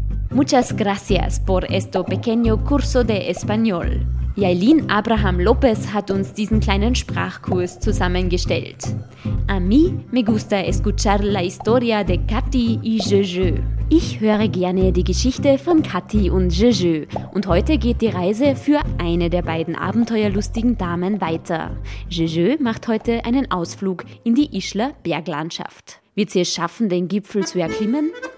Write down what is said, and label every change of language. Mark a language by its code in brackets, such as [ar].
[es] Muchas gracias por este pequeño curso de español. [de] Yailin Abraham López hat uns diesen kleinen Sprachkurs zusammengestellt. [es] A mí me gusta escuchar la historia de Katy y Jeje. [de] Ich höre gerne die Geschichte von Katy und Jeje. Und heute geht die Reise für eine der beiden abenteuerlustigen Damen weiter. Jeje macht heute einen Ausflug in die Ischler Berglandschaft. Wird sie es schaffen, den Gipfel zu erklimmen?